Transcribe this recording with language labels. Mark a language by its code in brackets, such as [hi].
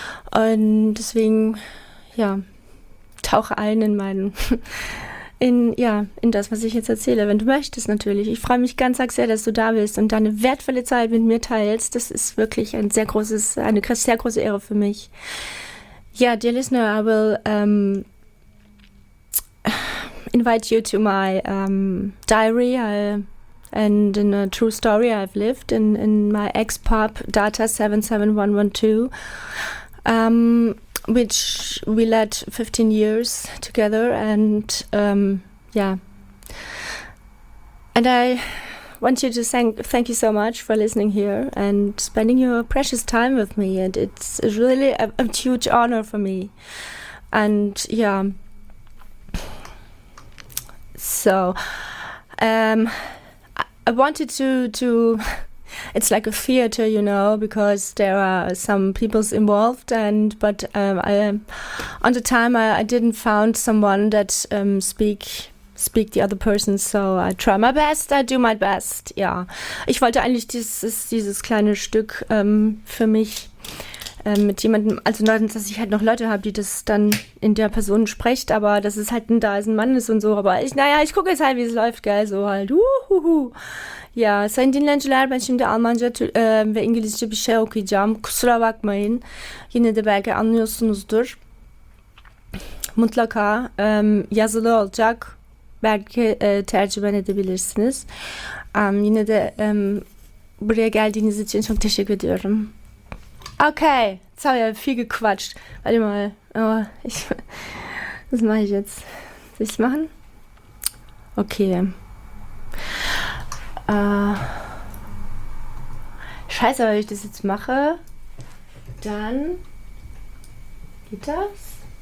[de] Und deswegen, ja, tauche ein in meinen, in das, was ich jetzt erzähle, wenn du möchtest natürlich. Ich freue mich ganz arg sehr, dass du da bist und deine wertvolle Zeit mit mir teilst. Das ist wirklich eine sehr große Ehre für mich. [en] Ja, yeah, dear listener, I will invite you to my diary and in a true story I've lived in my ex-pub Data 77112, which we led 15 years together, and and I want you to thank you so much for listening here and spending your precious time with me, and it's really a huge honor for me. And yeah, so I wanted to it's like a theater, you know, because there are some peoples involved, but on the time I didn't found someone that speak the other person, so I try my best, I do my best. [de] Ja, ich wollte eigentlich dieses kleine Stück für mich mit jemandem, also dass ich halt noch Leute habe, die das dann in der Person spricht, aber das ist halt, da ist ein Mann ist und so, aber ich gucke jetzt halt, wie es läuft, gell, so halt, uhuhu. [tr] Ja, sein dinlenciler, ben şimdi Almanca ve İngilizce bir şey okuyacağım, kusura bakmayın, yine de belki anlıyorsunuzdur, mutlaka yazılı olacak, belki tercüme edebilirsiniz. Yine de buraya geldiğiniz için çok teşekkür ediyorum. [de] Okay, jetzt habe ich viel gequatscht. Warte mal. Oh, was mache ich jetzt? Soll ich es machen? Okay. Scheiße, wenn ich das jetzt mache, dann geht das?